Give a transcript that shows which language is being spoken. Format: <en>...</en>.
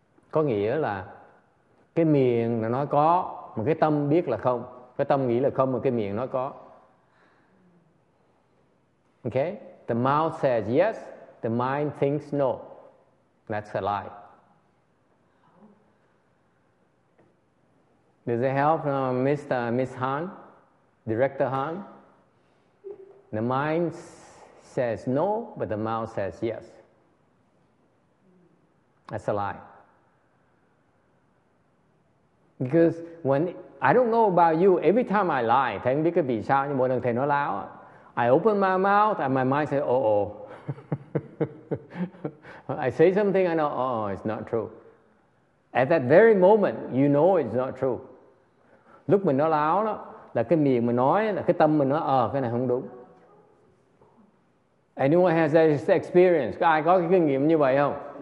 <vi>Có nghĩa là cái miệng là nói có, mà cái tâm biết là không. Cái tâm nghĩ là không, mà cái miệng nói có.</vi> <en>Okay, the mouth says yes, the mind thinks no. That's a lie. Does it help, Miss Han, Director Han? The mind says no, but the mouth says yes. That's a lie. Because when I don't know about you, every time I lie,</en> <vi>thành biết cái bị sao nhưng mỗi lần thầy nói láo.</vi> <en>I open my mouth and my mind says, oh. I say something, I know, it's not true. At that very moment, you know it's not true.</en> <vi>Lúc mình nói láo đó, là cái miệng mình nói, là cái tâm mình nói, cái này không đúng.</vi> <en>Anyone has that experience?</en> <vi>Ai có cái kinh nghiệm như vậy không?</vi>